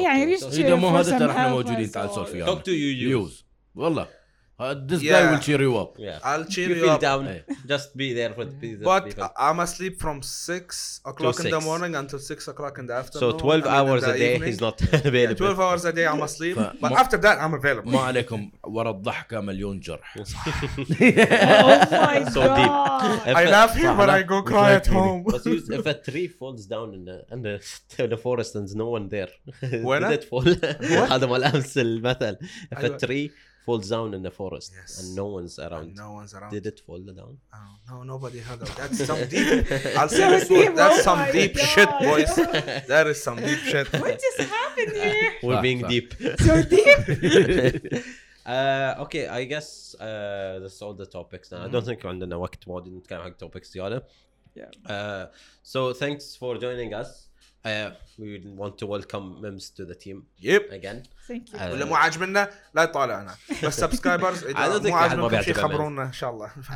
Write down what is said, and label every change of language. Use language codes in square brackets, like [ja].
[en] Yeah, reach out for some help. Talk to you. Use. والله. This guy will cheer you up. Yeah. I'll cheer you up. Down. Just be there for the people. But I'm asleep from 6 o'clock in the morning until 6 o'clock in the afternoon. So 12 hours a day he's not available. Yeah, 12 hours a day I'm asleep. But after that I'm available. [ar] ما عليكم وراء الضحكة مليون جرح. [en] Oh my god. So deep. I laugh here but I go cry at home. If a tree falls down in the forest and there's no one there. When? Did it fall? [ar] هذا مال أمس المثل. [en] If a tree... falls down in the forest yes. and no one's around. And no one's around. Did it fall down? Oh, no, nobody heard of that. That's some deep. I'll say this word. That's some deep shit, boys. That is some deep shit. What just happened here? We're being deep. So deep. okay, I guess that's all the topics. Now. Mm-hmm. I don't think we're under [ar] وقت ما [en] didn't kind of have topics yet. Yeah. So thanks for joining us. We would want to welcome Mims to the team. Yep. Again. Thank you. [ar] ولا مو عاجبنا لا يطالعنا. بس سبسكرايبرز إذا مو عاجبنا شيء خبرونا إن شاء الله.